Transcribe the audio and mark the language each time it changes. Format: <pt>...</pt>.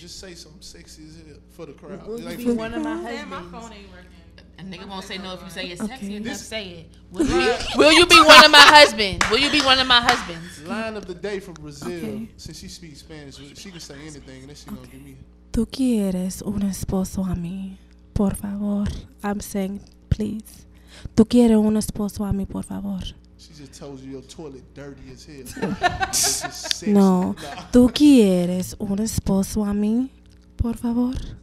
<en>Just say something sexy as hell for the crowd. Will you be one of my husbands? Man, my phone ain't working. A nigga won't say no if you say it's sexy enough. Say it. Will you be one of my husbands? Line of the day from Brazil. Okay. Since she speaks Spanish, she can say anything, and then she's gonna give me.</en> <es>Tú quieres un esposo a mí, por favor.</es> <en>I'm saying, please.</en> <es>Tú quieres un esposo a mí, por favor.</es> <en>She just told you your toilet dirty as hell. No.</en> <es>Tú quieres un esposo a mí, por favor.</es>